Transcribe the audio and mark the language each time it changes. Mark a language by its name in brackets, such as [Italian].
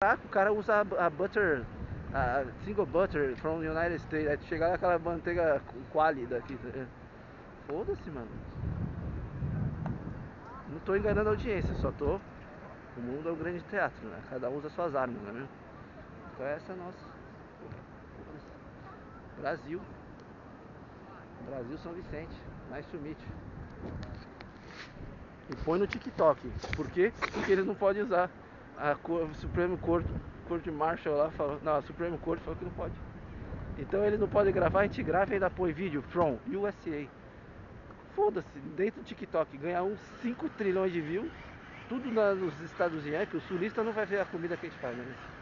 [Portuguese] O cara usa a [English] butter, a single butter from United States. [Portuguese] Aí chegar aquela manteiga quali daqui. Foda-se, mano. Não tô enganando a audiência, só tô. O mundo é um grande teatro, né? Cada um usa suas armas, né? Então essa é a nossa. Brasil. Brasil São Vicente. [English] Nice to meet you. [Portuguese] E põe no TikTok. Por quê? Porque eles não podem usar. A Supreme Court, Court Marshall lá falou, não, a Supreme Court falou que não pode. Então eles não podem gravar, a gente grava e ainda põe vídeo [English] from USA. [Portuguese] Foda-se, dentro do TikTok ganhar uns 5 trilhões de views, tudo nos Estados Unidos, que o sulista não vai ver a comida que a gente faz, né?